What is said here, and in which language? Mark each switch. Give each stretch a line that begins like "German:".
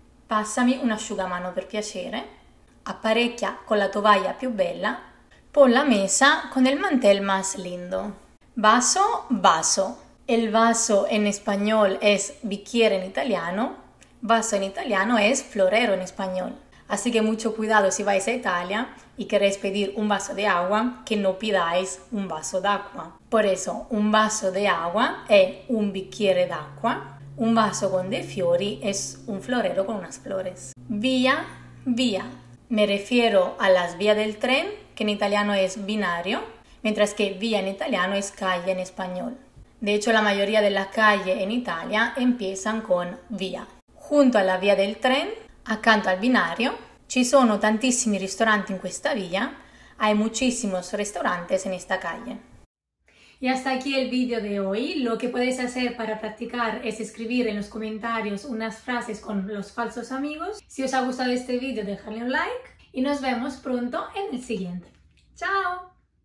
Italian: Passami un asciugamano, per piacere. Apparecchia con la tovaglia più bella.
Spanish: Pon la mesa con il mantel más lindo. Vaso, vaso. El vaso en español es bicchiere en italiano. Vaso en italiano es florero en español. Así que mucho cuidado si vais a Italia y queréis pedir un vaso de agua, que no pidáis
Italian: un vaso d'acqua.
Spanish: Por eso, un vaso de agua es
Italian: un bicchiere d'acqua. Un vaso con dei fiori
Spanish: es un florero con unas flores. Vía, vía. Me refiero a las vías del tren, que en italiano es binario, mientras que vía en italiano es calle en español. De hecho, la mayoría de las calles en Italia empiezan con vía.
Italian: Junto alla via del tren, accanto al binario, ci sono tantissimi ristoranti in questa via.
Spanish: Hay muchísimos restaurantes en esta calle. Y hasta aquí el video de hoy. Lo que podéis hacer para practicar es escribir en los comentarios unas frases con los falsos amigos. Si os ha gustado este video, dejadle un like y nos vemos pronto en el siguiente. ¡Chao!